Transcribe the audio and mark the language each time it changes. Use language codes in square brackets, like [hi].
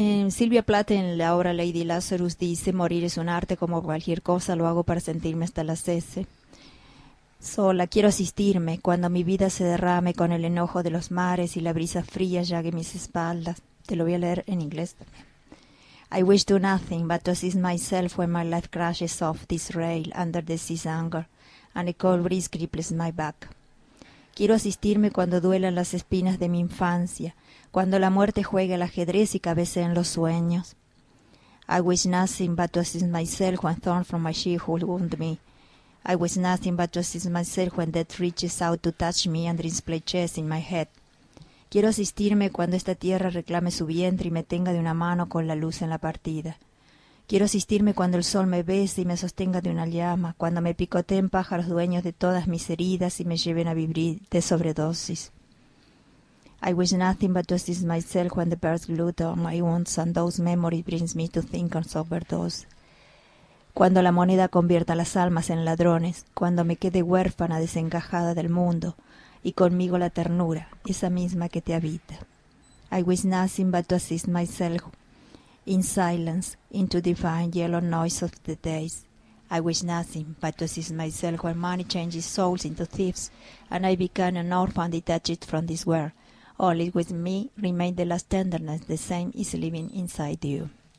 [es] Silvia Plath en la obra Lady Lazarus dice: morir es un arte como cualquier cosa, lo hago para sentirme hasta la cese. Sola, quiero asistirme cuando mi vida se derrame con el enojo de los mares y la brisa fría llague mis espaldas. Te lo voy a leer en inglés también. [en] I wish to nothing but to assist myself when my life crashes off this rail under the sea's anger and a cold breeze cripples my back. [es] Quiero asistirme cuando duelan las espinas de mi infancia, cuando la muerte juegue al ajedrez y cabece en los sueños. [en] I wish nothing but to assist myself when thorn from my shield will wound me. I wish nothing but to assist myself when death reaches out to touch me and dreams play chess in my head. [es] Quiero asistirme cuando esta tierra reclame su vientre y me tenga de una mano con la luz en la partida. Quiero asistirme cuando el sol me bese y me sostenga de una llama, cuando me picoteen pájaros dueños de todas mis heridas y me lleven a vivir de sobredosis. [en] I wish nothing but to assist myself when the birds gloat on my wounds and those memories brings me to think on overdose. [es] Cuando la moneda convierta las almas en ladrones, cuando me quede huérfana desencajada del mundo, y conmigo la ternura, esa misma que te habita. [en] I wish nothing but to assist myself in silence, into divine yellow noise of the days. I wish nothing but to assist myself when money changes souls into thieves, and I become an orphan detached from this world. Only with me remain the last tenderness, the same is living inside you.